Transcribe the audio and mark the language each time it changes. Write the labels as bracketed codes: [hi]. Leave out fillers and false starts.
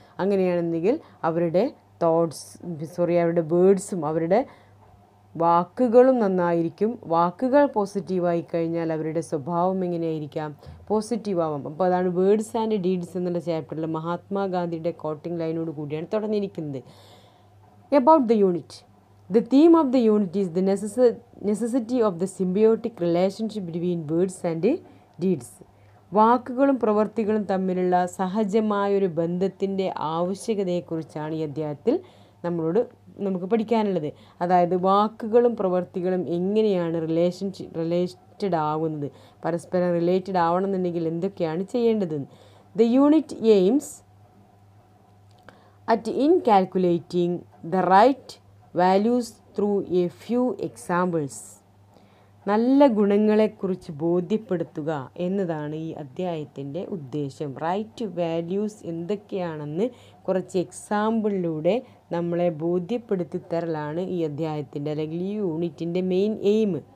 [ml] അങ്ങനെയാണെന്നെങ്കിൽ അവരുടെ thoughts, sorry, അവരുടെ വേർഡ്സും അവരുടെ വാക്കുകളും നന്നായിരിക്കും. വാക്കുകൾ പോസിറ്റീവായി കഴിഞ്ഞാൽ അവരുടെ സ്വഭാവം എങ്ങനെയായിരിക്കാം? പോസിറ്റീവാവാം. അപ്പോൾ അതാണ് വേർഡ്സ് ആൻഡ് ഡീഡ്സ് എന്നുള്ള ചാപ്റ്ററിൽ മഹാത്മാഗാന്ധിയുടെ കോട്ടിംഗ് ലൈനോട് കൂടിയാണ് തുടങ്ങിയിരിക്കുന്നത്. [en] About the unit. The theme of the unit is the necessity of the symbiotic relationship between words and deeds. [ml] വാക്കുകളും പ്രവൃത്തികളും തമ്മിലുള്ള സഹജമായൊരു ബന്ധത്തിൻ്റെ ആവശ്യകതയെക്കുറിച്ചാണ് ഈ അധ്യായത്തിൽ നമുക്ക് പഠിക്കാനുള്ളത്. അതായത് വാക്കുകളും പ്രവൃത്തികളും എങ്ങനെയാണ് റിലേറ്റഡ് ആവുന്നത്, പരസ്പരം റിലേറ്റഡ് ആവണമെന്നുണ്ടെങ്കിൽ എന്തൊക്കെയാണ് ചെയ്യേണ്ടത്. [en] The unit aims at incalculating the right values through a few examples. [ml] നല്ല ഗുണങ്ങളെക്കുറിച്ച് ബോധ്യപ്പെടുത്തുക എന്നതാണ് ഈ അധ്യായത്തിൻ്റെ ഉദ്ദേശം. റൈറ്റ് വാല്യൂസ് എന്തൊക്കെയാണെന്ന് കുറച്ച് എക്സാമ്പിളിലൂടെ നമ്മളെ ബോധ്യപ്പെടുത്തി തരലാണ് ഈ അധ്യായത്തിൻ്റെ അല്ലെങ്കിൽ ഈ യൂണിറ്റിൻ്റെ മെയിൻ എയിം.